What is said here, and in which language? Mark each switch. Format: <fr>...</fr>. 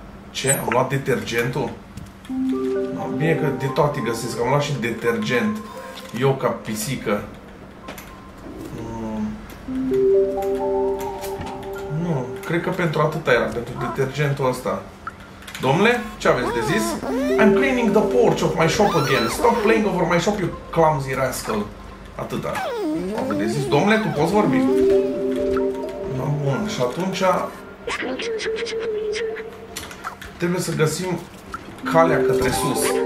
<ro>Ce? Am luat detergentul? Bine că de toate găsesc, am luat și detergent. Eu ca pisică. Nu, cred că pentru atâta era, pentru detergentul ăsta. Domnule, ce aveți de zis?</ro> <en>I'm cleaning the porch of my shop again. Stop playing over my shop, you clumsy rascal.</en> <ro>Atâta. Aveți de zis, domnule, tu poți vorbi? Bun, și atunci... trebuie să găsim calea către sus.</ro>